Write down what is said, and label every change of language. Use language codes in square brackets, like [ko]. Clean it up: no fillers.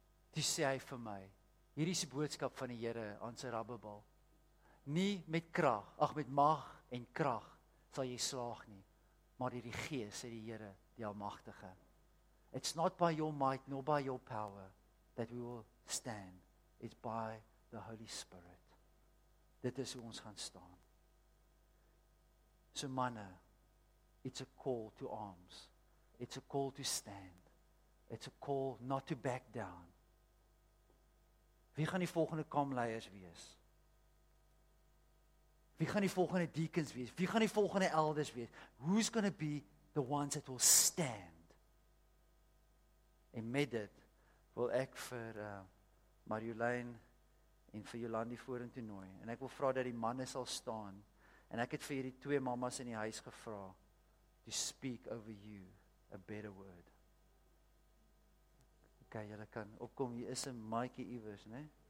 [af] Toe sê hy vir my, hier is die boodskap van die Here aan sy Rabbabal, nie met krag, met mag en krag, sal jy slaag nie, maar hierdie gees, sê die Here, die Almachtige. [en] It's not by your might, nor by your power, that we will stand. It's by the Holy Spirit. [af] Dit is hoe ons gaan staan. [en] So manne, it's a call to arms. It's a call to stand. It's a call not to back down. [af] Wie gaan die volgende kamleiers wees? Wie gaan die volgende deacons wees? Wie gaan die volgende elders wees? [en] Who's going to be the ones that will stand? [af] En met dit wil ek vir Marjolein en vir Jolandi voor in toenooi. En ek wil vraag dat die manne sal staan. En ek het vir hierdie twee mamas in die huis gevra. [en] To speak over you a better word. [af] Okay, julle kan opkom, hier is een maaikie iewers, ne?